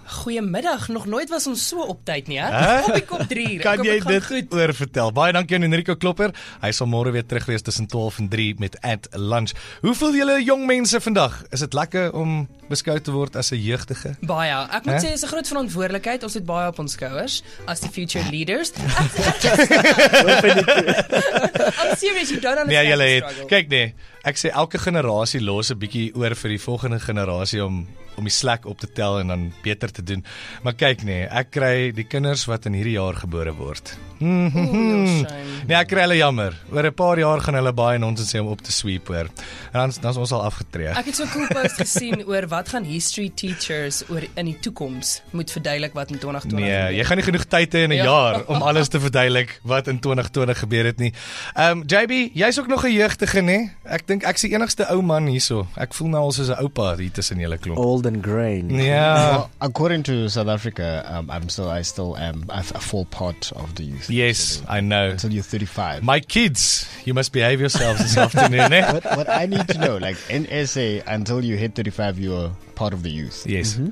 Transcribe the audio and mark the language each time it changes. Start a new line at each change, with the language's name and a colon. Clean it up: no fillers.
Afrikaans: Goeiemiddag, nog nooit was ons so op tyd nie, hè? Kom 3:00. Kan jy dit oor vertel? Baie dankie aan Enrico Klopper. Hy sal môre weer terug wees tussen 12 en 3 met At Lunch. Hoe voel julle jong mense vandag? Is dit lekker om beskou te word as 'n jeugdige? Baie. Ek moet sê, is 'n groot verantwoordelikheid. Ons het baie op ons skouers as die
English: future leaders. I'm serious, you don't understand.
Afrikaans: Ja, julle het. Kyk nee, ek sê elke generasie los 'n bietjie oor vir die volgende generasie om die slack op te tel en dan beter te doen. Maar kyk nee, ek kry die kinders wat in hierdie jaar gebore word. Nee, ek kry hulle jammer. Oor 'n paar jaar gaan hulle baie nonsens sê om op te sweep hoor. En dan is ons al afgetree. Ek het so 'n cool post gesien oor wat gaan history teachers oor in die toekoms moet verduidelik wat in 2020 gebeur. Nee, jy gaan nie genoeg tyd hê in 'n jaar om alles te verduidelik wat in 2020 gebeur het nie. JB, jy's ook nog 'n jeugdige nê? Ek dink ek's die enigste ou man hierso. Ek voel nou al soos 'n oupa hier tussen julle klomp.
English: Old and gray. Ja. Yeah. Well, according to South Africa, I still am a full part of the youth. Yes, I know. Until you're 35. My kids, you must behave yourselves this afternoon, eh? What I need to know, like in SA, until you hit 35, you're part of the youth. Yes. Mm-hmm.